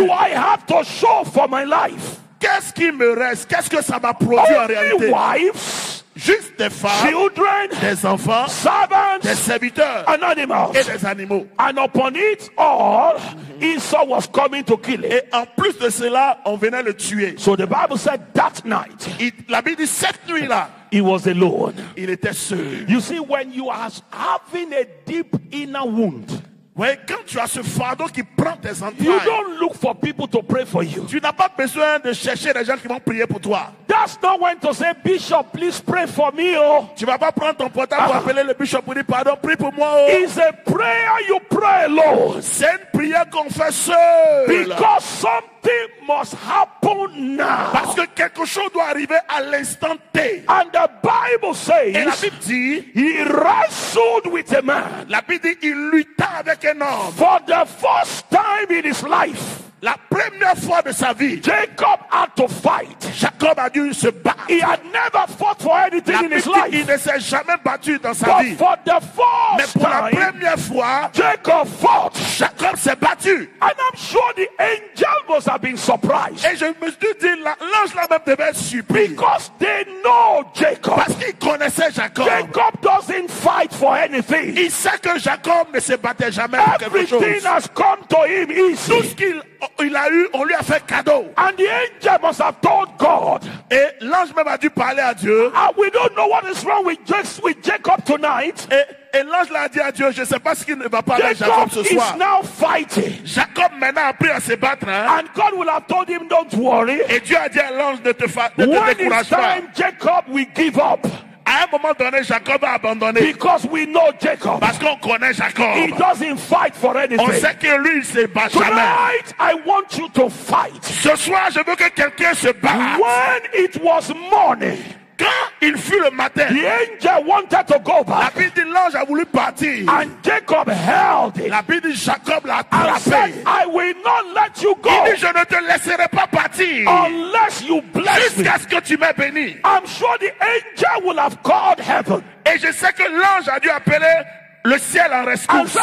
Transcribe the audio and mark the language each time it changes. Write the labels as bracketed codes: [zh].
[en] What do I have to show for my life? [fr] Qu'est-ce qui me reste? Qu'est-ce que ça m'a produit [en] only [fr] en réalité? [en] Wives, [fr] Juste des femmes, [en] children, [fr] des enfants, [en] servants, [fr] des serviteurs, [en] and animals, [fr] et des animaux. [en] And upon it all, Esau was coming to kill it. [fr] Et en plus de cela, on venait le tuer. [en] So the Bible said that night, [fr] la Bible dit cette nuit-là, [en] he was alone. [fr] Il était seul. [en] You see, when you are having a deep inner wound, [fr] ouais, quand tu as ce fardeau qui prend tes entrailles, [en] you don't look for people to pray for you. [fr] Tu n'as pas besoin de chercher des gens qui vont prier pour toi. [en] That's not when to say, Bishop, please pray for me, oh. [fr] Tu vas pas prendre ton portable pour appeler le bishop pour dire pardon, prie pour moi, oh. [en] It's a prayer you pray, Lord. [fr] C'est une prière qu'on fait seul. [en] Because something must happen now. [fr] Parce que quelque chose doit arriver à l'instant T. [en] And the Bible says, [fr] et la Bible dit, [en] he wrestled with a man. [fr] La Bible dit, il lutta avec un homme. [en] For the first time in his life. [fr] La première fois de sa vie, [en] Jacob had to fight. [fr] Jacob a dû se battre. [en] He had never fought for anything in his life. [fr] Il ne s'est jamais battu dans sa [en] but [fr] vie. [en] For the first [fr] mais pour la première fois, [en] Jacob fought. [fr] Jacob s'est battu. [en] And I'm sure the angel must have been surprised. [fr] Et je me suis dit, l'ange là-même devait être surpris. [en] Because they know Jacob. [fr] Parce qu'il connaissait Jacob. [en] Jacob doesn't fight for anything. [fr] Il sait que Jacob ne se battait jamais pour [en] everything [fr] quelque chose. [en] Everything has come to him easy. [fr] Tout ce qu'il il a eu, on lui a fait cadeau. [en] And the angel must have told God. [fr] Et l'ange même a dû parler à Dieu. [en] And we don't know what is wrong with Jacob tonight. [fr] Et l'ange l'a dit à Dieu, je ne sais pas ce qu'il ne va pas [en] Jacob [fr] avec Jacob ce soir. [en] Is now fighting. [fr] Jacob maintenant a appris à se battre. Hein? [en] And God will have told him, don't worry. [fr] Et Dieu a dit à l'ange, ne te décourage pas. [en] When it's time, Jacob will give up. [fr] À un moment donné, Jacob a abandonné. [en] Because we know Jacob. [fr] Parce qu'on connaît Jacob. [en] He doesn't fight for anything. [fr] On sait que lui, il se bat [en] tonight, [fr] jamais. [en] I want you to fight. [fr] Ce soir, je veux que quelqu'un se batte. [en] When it was morning, [fr] quand il fut le matin, [en] the angel wanted to go back. [fr] La Bible dit, l'ange a voulu partir. [en] And Jacob held it. [fr] La Bible dit, Jacob l'a attrapé. [en] And said, I will not let you go. [fr] Il dit, je ne te laisserai pas partir. [en] Unless you bless [fr] jusqu'à [en] me. [fr] Jusqu'à ce que tu m'aies béni. [en] I'm sure the angel will have called heaven. [fr] Et je sais que l'ange a dû appeler le ciel en rescousse.